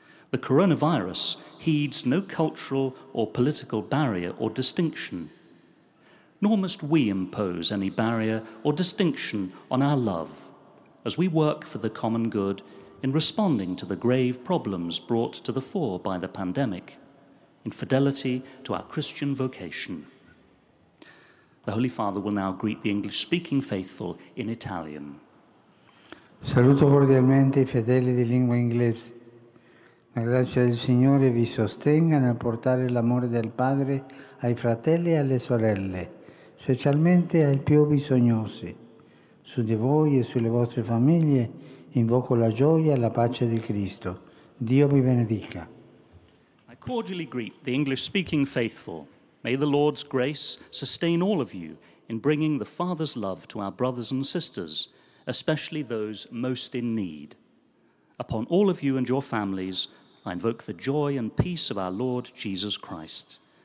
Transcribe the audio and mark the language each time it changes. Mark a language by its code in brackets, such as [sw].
[en] The coronavirus heeds no cultural or political barrier or distinction, nor must we impose any barrier or distinction on our love as we work for the common good in responding to the grave problems brought to the fore by the pandemic, in fidelity to our Christian vocation. The Holy Father will now greet the English-speaking faithful in Italian. [it] Saluto cordialmente i fedeli di lingua inglese. La grazia del Signore vi sostenga nel portare l'amore del Padre ai fratelli e alle sorelle, specialmente ai più bisognosi. Su di voi e sulle vostre famiglie invoco la gioia e la pace di Cristo. Dio vi benedica. [en] I cordially greet the English-speaking faithful. May the Lord's grace sustain all of you in bringing the Father's love to our brothers and sisters, especially those most in need. Upon all of you and your families, I invoke the joy and peace of our Lord Jesus Christ.